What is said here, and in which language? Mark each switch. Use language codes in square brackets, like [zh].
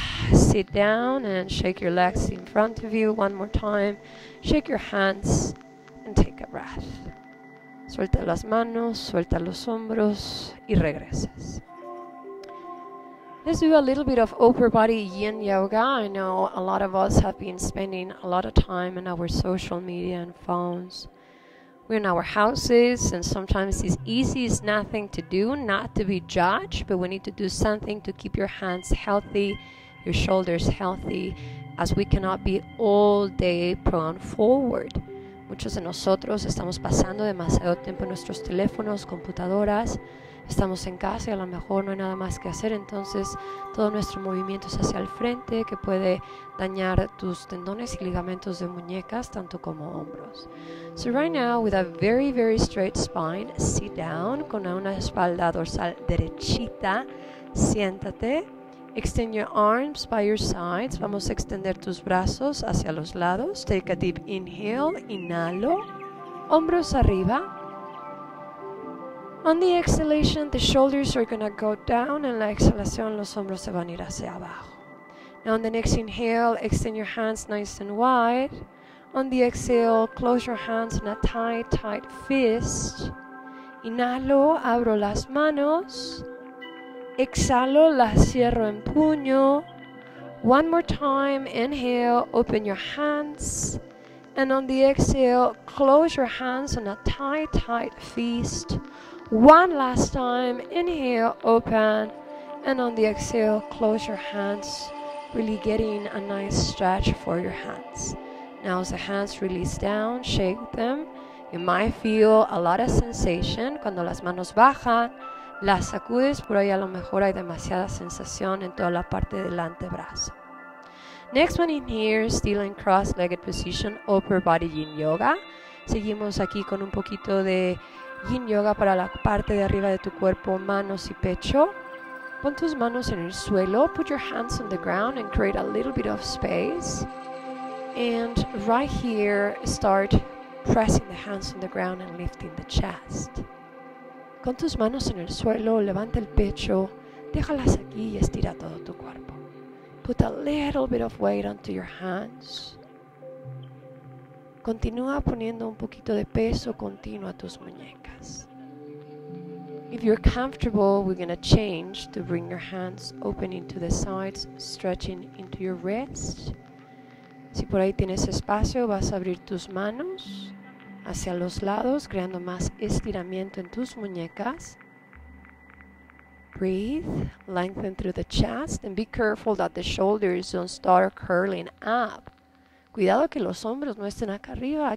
[en] Sit down and shake your legs in front of you one more time. Shake your hands and take a breath. [es] Suelta las manos, suelta los hombros y regresas. [en] Let's do a little bit of upper body yin yoga. I know a lot of us have been spending a lot of time on our social media and phones. We're in our houses, and sometimes it's easy, it's nothing to do, not to be judged, but we need to do something to keep your hands healthy, your shoulders healthy, as we cannot be all day prone forward. [es] Muchos de nosotros estamos pasando demasiado tiempo en nuestros teléfonos, computadoras, estamos en casa y a lo mejor no hay nada más que hacer, entonces todo nuestro movimiento es hacia el frente, que puede dañar tus tendones y ligamentos de muñecas, tanto como hombros. [en] So right now, with a very, very straight spine, sit down, [es] con una espalda dorsal derechita, siéntate. [en] Extend your arms by your sides. [es] Vamos a extender tus brazos hacia los lados. [en] Take a deep inhale, [es] inhalo. Hombros arriba. [en] On the exhalation, the shoulders are going to go down. [es] En la exhalación, los hombros se van a ir hacia abajo. [en] Now on the next inhale, extend your hands nice and wide. On the exhale, close your hands in a tight, tight fist. [es] Inhalo, abro las manos. Exhalo, las cierro en puño. [en] One more time, inhale, open your hands. And on the exhale, close your hands in a tight, tight fist. One last time, inhale, open. And on the exhale, close your hands. Really getting a nice stretch for your hands. Now as the hands release down, shake them. You might feel a lot of sensation. [es] Cuando las manos bajan, las sacudes, pero ahí a lo mejor hay demasiada sensación en toda la parte del antebrazo. [en] Next one in here, still in cross-legged position, upper body yin yoga. [es] Seguimos aquí con un poquito de yin yoga para la parte de arriba de tu cuerpo, manos y pecho. Pon tus manos en el suelo, [en] put your hands on the ground and create a little bit of space. And right here, start pressing the hands on the ground and lifting the chest. [es] Con tus manos en el suelo, levanta el pecho, déjalas aquí y estira todo tu cuerpo. [en] Put a little bit of weight onto your hands. [es] Continúa poniendo un poquito de peso continuo a tus muñecas. [en] If you're comfortable, we're going to change to bring your hands open into the sides, stretching into your wrist. [es] Si por ahí tienes espacio, vas a abrir tus manos hacia los lados, creando más estiramiento en tus muñecas. [en] Breathe, lengthen through the chest, and be careful that the shoulders don't start curling up. [es] Cuidado que los hombros no estén acá arriba.